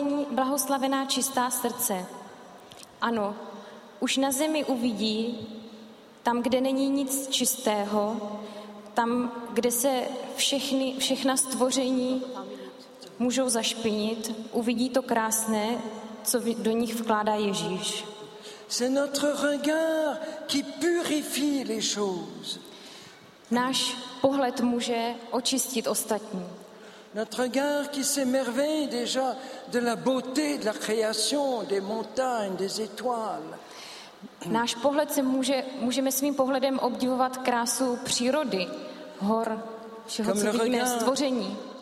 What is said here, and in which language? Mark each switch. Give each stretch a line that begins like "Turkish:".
Czech: Blahoslavená čistá srdce. Ano, už na zemi uvidí, tam, kde není nic čistého, tam, kde se všechna stvoření můžou zašpinit, uvidí to krásné, co do nich vkládá Ježíš.
French: C'est notre regard qui purifie les choses.
Czech: Náš pohled může očistit ostatní.
French: Notre regard qui s'émerveille déjà de la beauté de la création, des montagnes, des étoiles.
Czech: Náš pohled se můžeme svým pohledem obdivovat krásu přírody, hor, všeho, co vidíme, stvoření.